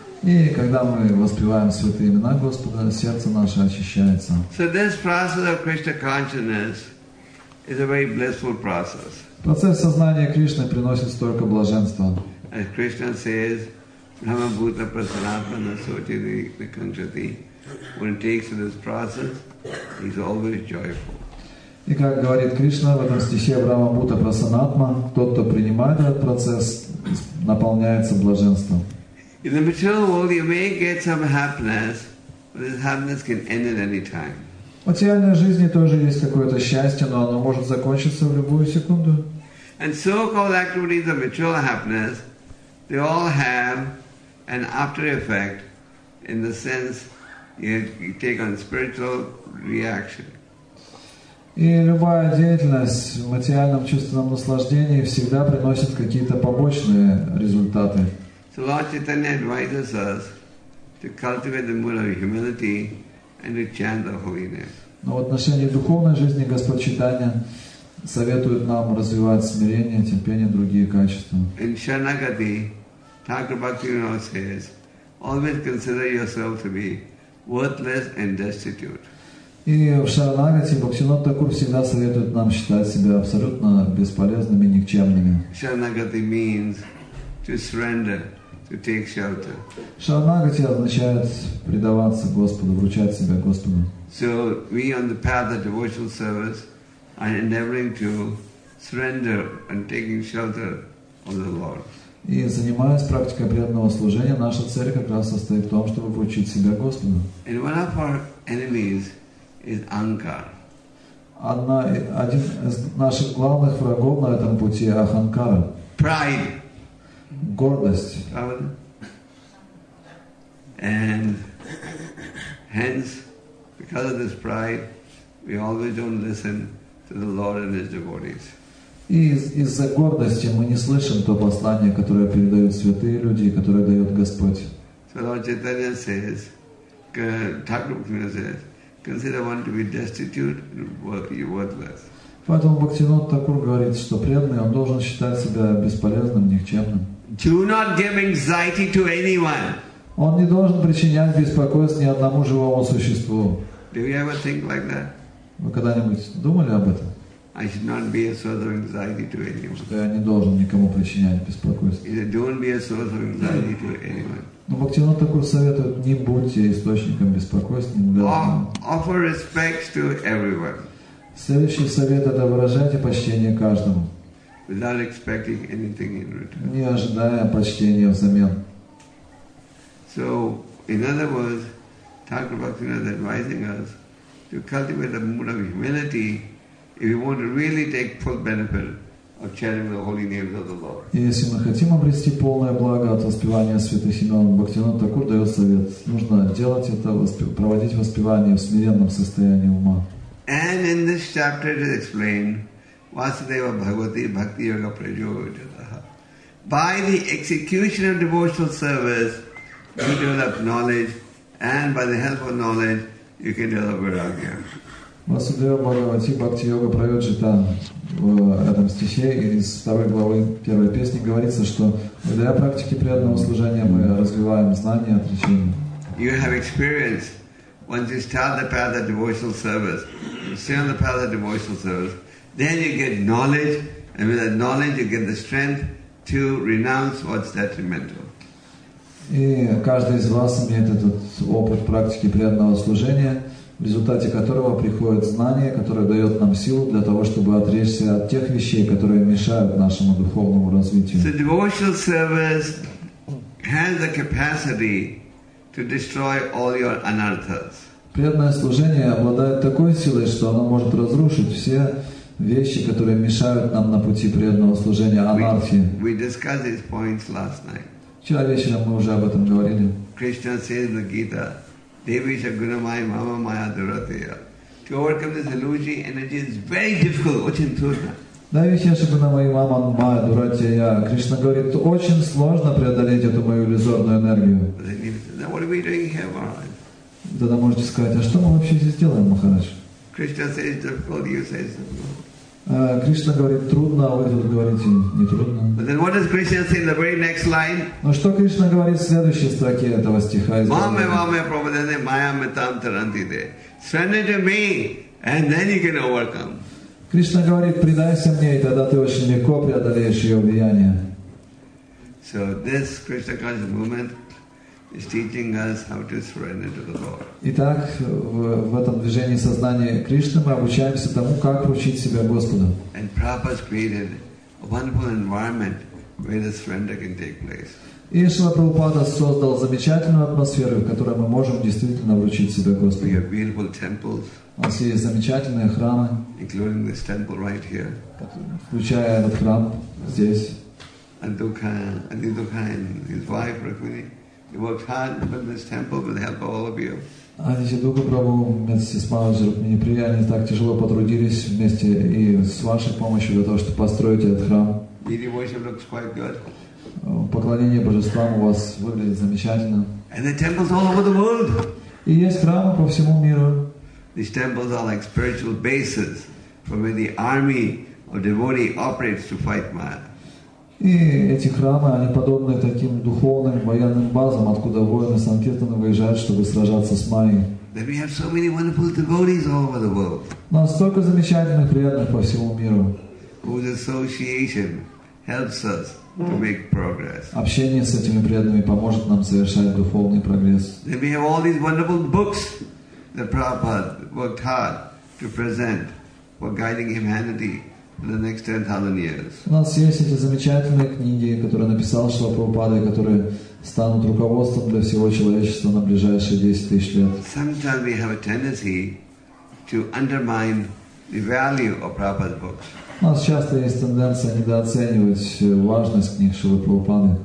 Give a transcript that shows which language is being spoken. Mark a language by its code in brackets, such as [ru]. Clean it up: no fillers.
[ru] И когда мы воспеваем святые имена Господа, сердце наше очищается. [en] So this process of Krishna consciousness is a very blissful process. [ru] Процесс сознания Кришны приносит столько блаженства. [en] As Krishna says, [sa] Brahma Bhuta Prasanatana Soti Nikanchati, [en] when he takes to this process, he's always joyful. [ru] И как говорит Кришна в этом стихе, [sa] Брама Бхута Прасанатма, [ru] тот, кто принимает этот процесс, наполняется блаженством. [en] In the material world you may get some happiness, but this happiness can end at any time. [ru] В материальной жизни тоже есть какое-то счастье, но оно может закончиться в любую секунду. [en] And so-called activities of material happiness, they all have an after effect in the sense you take on spiritual reaction. [ru] И любая деятельность в материальном чувственном наслаждении всегда приносит какие-то побочные результаты. [en] So Lord Chaitanya advises us to cultivate the mood of humility and to chant the holy name. [ru] Но в отношении духовной жизни Господь Чайтанья советует нам развивать смирение, терпение, другие качества. [en] In Shanagati, Thakur Bhaktivinoda says, always consider yourself to be worthless and destitute. [ru] И в Шаранагати Бхактивинод Такур всегда советует нам считать себя абсолютно бесполезными, никчемными. [en] Шаранагати means to surrender, to take shelter. [ru] Шаранагати означает предаваться Господу, вручать себя Господу. [en] So we on the path of devotional service are endeavoring to surrender and taking shelter of the Lord. [ru] И занимаясь практикой преданного служения, наша цель как раз состоит в том, чтобы вручить себя Господу. [en] And one of our enemies is ahankar. [ru] Один из наших главных врагов на этом пути – аханкара. [en] Pride. [ru] Гордость. Правда? [en] And hence, because of this pride, we always don't listen to the Lord and His devotees. [ru] И из-за гордости мы не слышим то послание, которое передают святые люди, которое дает Господь. [en] So Lord Chaitanya says, Thakur Bhaktivinoda says, consider one to be destitute and worthless. [ru] Поэтому Бхактивинода Такур говорит, что преданный, он должен считать себя бесполезным, никчемным. [en] Do not give anxiety to anyone. [ru] Он не должен причинять беспокойство ни одному живому существу. [en] Do you ever think like that? [ru] Вы когда-нибудь думали об этом? [en] I should not be a source of anxiety to anyone. [ru] Что я не должен никому причинять беспокойство. [en] Don't be a source of anxiety to anyone. [ru] Но Бхактивинода Такур советует, не будьте источником беспокойства. [en] Offer respects to everyone. [ru] Следующий совет – это выражайте почтение каждому. [en] Without expecting anything in return. [ru] Не ожидая почтения взамен. [en] So, in other words, Thakur Bhaktivinoda is advising us to cultivate a mood of humility if we want to really take full benefit of chanting the holy names of the Lord. [ru] Если мы хотим обрести полное благо от воспевания святых имен, Бхактивинода Такур дает совет. Нужно делать это, проводить воспевание в смиренном состоянии ума. [sa] And in this chapter it is explained, Vasudeva Bhagavati Bhakti Yoga Prajojataha. [en] By the execution of devotional service, you develop knowledge, and by the help of knowledge, you can develop Vairagya. [sa] Vasudeva Bhagavati Bhakti Yoga Prajojataha. [ru] В этом стихе из второй главы первой песни говорится, что для практики преданного служения мы развиваем знания отречения. [en] You have experience. Once you start the path of devotional service, you stay on the path of devotional service, then you get knowledge, and with that knowledge you get the strength to renounce what's detrimental. [ru] И каждый из вас имеет этот опыт практики преданного служения, в результате которого приходит знание, которое дает нам силу для того, чтобы отречься от тех вещей, которые мешают нашему духовному развитию. [en] So devotional service has the capacity to destroy all your anarthas. [ru] Преданное служение обладает такой силой, что оно может разрушить все вещи, которые мешают нам на пути преданного служения, анархии. [en] We discussed these points last night. [ru] Вчера вечером мы уже об этом говорили. [en] Krishna says in the Gita, [sa] Devisha Gunamai Mama Maya Durateya. [en] To overcome this illusory energy is very difficult. [ru] Очень трудно. [sa] Дайвишеша Гунамай Мама Мая Дуратия. [ru] Кришна говорит, очень сложно преодолеть эту мою иллюзорную энергию. [en] Then what are we doing here, Maharaj? [ru] Тогда можете сказать, а что мы вообще здесь делаем, Махарадж? [en] Krishna says difficult, you say something. [ru] Кришна говорит, трудно, а вы тут говорите, не трудно. [en] But then what does Krishna say in the very next line? [ru] Но что Кришна говорит в следующей строке этого стиха? [sa] Маме, маме, пробудене, майя метам тарантиде. [en] Send it to me, and then you can overcome. [ru] Кришна говорит, предайся мне, и тогда ты очень легко преодолеешь ее влияние. [en] So this Krishna conscious movement is teaching us how to surrender to the Lord. [ru] Итак, в этом движении сознания Кришны мы обучаемся тому, как вручить себя Господу. [en] And Prabhupada created a wonderful environment where the surrender can take place. [ru] И Шрила Прабхупада создал замечательную атмосферу, в которой мы можем действительно вручить себя Господу. [en] We have beautiful temples. [ru] У нас есть замечательные храмы, [en] including this temple right here, [ru] включая этот храм здесь. [en] Adindukha and his wife Rukmini, he worked hard to build this temple with the help of all of you. [ru] Adindukha Prabhu, вместе с Маджи Рукмини Прияни, так тяжело потрудились вместе и с вашей помощью для того, чтобы построить этот храм. [en] Deity worship looks quite good. [ru] поклонение божествам у вас выглядит замечательно. [en] And the temples all over the world. [ru] И есть храмы по всему миру. [en] These temples are like spiritual bases from where the army of devotee operates to fight Maya. [ru] И эти храмы, они подобны таким духовным военным базам, откуда воины санкиртаны выезжают, чтобы сражаться с Майей. [en] Then we have so many wonderful devotees all over the world. [ru] Настолько замечательных, приятных по всему миру. [en] Whose association helps us to make progress. [ru] Общение с этими преданными поможет нам совершать духовный прогресс. [en] Then we have all these wonderful books that Prabhupada worked hard to present for guiding humanity for the next 10,000 years. [ru] У нас есть эти замечательные книги, которые написал Шрила Прабхупада, которые станут руководством для всего человечества на ближайшие 10,000 лет. [en] Sometimes we have a tendency to undermine the value of Prabhupada's books. [ru] У нас часто есть тенденция недооценивать важность книг Шрилы Прабхупады.